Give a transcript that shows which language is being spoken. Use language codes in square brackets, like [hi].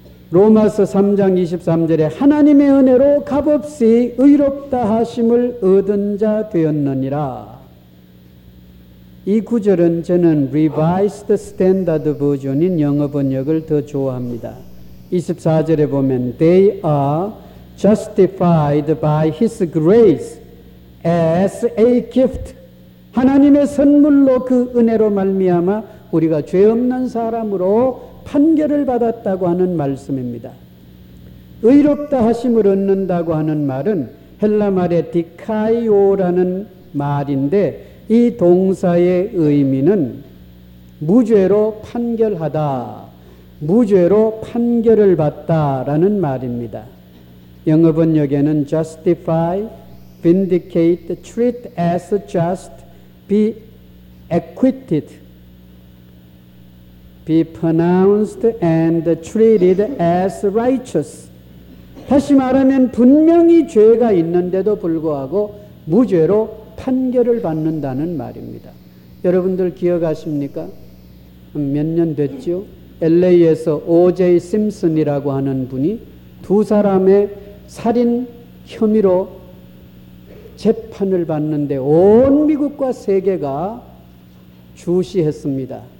[ko] 로마서 3장 23절에 하나님의 은혜로 값없이 의롭다 하심을 얻은 자 되었느니라. 이 구절은 저는 Revised Standard Version인 영어 번역을 더 좋아합니다. 24절에 보면 [en] They are justified by His grace as a gift. [ko] 하나님의 선물로 그 은혜로 말미암아 우리가 죄 없는 사람으로 판결을 받았다고 하는 말씀입니다. 의롭다 하심을 얻는다고 하는 말은 헬라 말의 디카이오라는 말인데 이 동사의 의미는 무죄로 판결하다, 무죄로 판결을 받다라는 말입니다. 영어 번역에는 [en] justify, vindicate, treat as just, be acquitted, be pronounced and treated as righteous. [ko] 다시 말하면 분명히 죄가 있는데도 불구하고 무죄로 판결을 받는다는 말입니다. 여러분들 기억하십니까? 몇 년 됐죠? LA에서 OJ 심슨이라고 하는 분이 두 사람의 살인 혐의로 재판을 받는데 온 미국과 세계가 주시했습니다.